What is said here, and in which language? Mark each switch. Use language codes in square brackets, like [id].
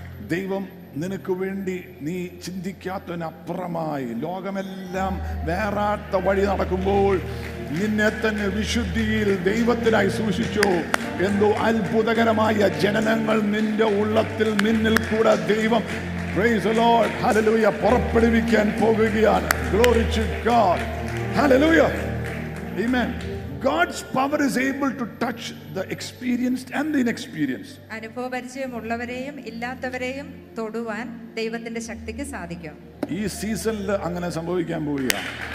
[ml] ദൈവം നിനക്ക് വേണ്ടി നീ ചിന്തിക്കാത്തതിനപ്പുറമായി ലോകമെല്ലാം വേറാത്ത വഴി നടക്കുമ്പോൾ നിന്നെ തന്നെ വിശുദ്ധിയിൽ ദൈവത്തിനായി സൂക്ഷിച്ചു. എന്തോ അത്ഭുതകരമായ ജനനങ്ങൾ നിന്റെ ഉള്ളത്തിൽ നിന്നിൽ കൂടെ ദൈവം, [en] praise the lord, [ml] ഹല്ലേലൂയ, പുറപ്പെടുവിക്കാൻ പോകുകയാണ്. [en] Glory to God. ഹല്ലേലൂയ. ആമേൻ. God's power is able to touch the experienced and the inexperienced. [ml] അനുഭവപരിചയം ഉള്ളവരെയും ഇല്ലാത്തവരെയും തൊടുവാൻ ദൈവത്തിന്റെ ശക്തിക്ക് സാധിക്കും. ഈ സീസണിൽ അങ്ങനെ സംഭവിക്കാൻ പോവുകയാണ്.